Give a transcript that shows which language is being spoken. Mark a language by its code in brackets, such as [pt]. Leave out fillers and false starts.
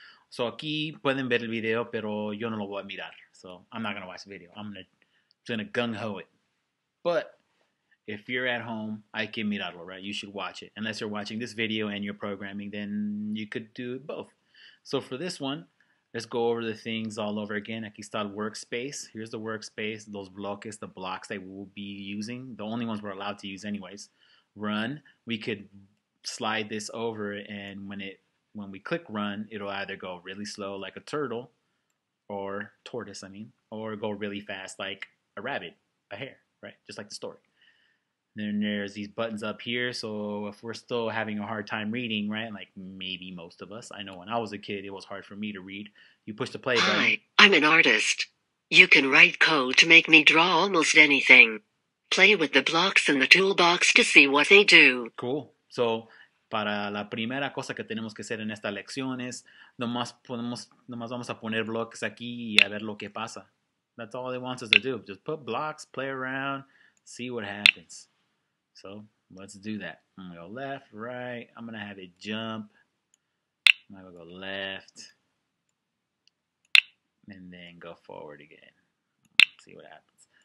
[es] So aquí pueden ver el video, pero yo no lo voy a mirar. [en] So I'm not going to watch the video. I'm going to gung-ho it. But if you're at home, [es] hay que mirarlo, [en] right? You should watch it. Unless you're watching this video and you're programming, then you could do both. So for this one, let's go over the things all over again. [es] Aquí está el [en] workspace. Here's the workspace. Those bloques, the blocks that we'll be using, the only ones we're allowed to use anyways. Run, we could slide this over, and when we click run, it'll either go really slow like a turtle, or tortoise, I mean, or go really fast like a rabbit, a hare, right? Just like the story. Then there's these buttons up here. So if we're still having a hard time reading, right? Like maybe most of us. I know when I was a kid, it was hard for me to read. You push the play button. Hi, I'm an artist. You can write code to make me draw almost anything. Play with the blocks in the toolbox to see what they do. Cool. [es] So para la primera cosa que tenemos que hacer en esta lección es nomás vamos a poner bloques aquí y a ver lo que pasa. [en] That's all they want us to do. Just put blocks, play around, see what happens. So let's do that. I'm gonna go left, right. I'm gonna have it jump. I'm gonna go left. And then go forward again. Let's see what happens.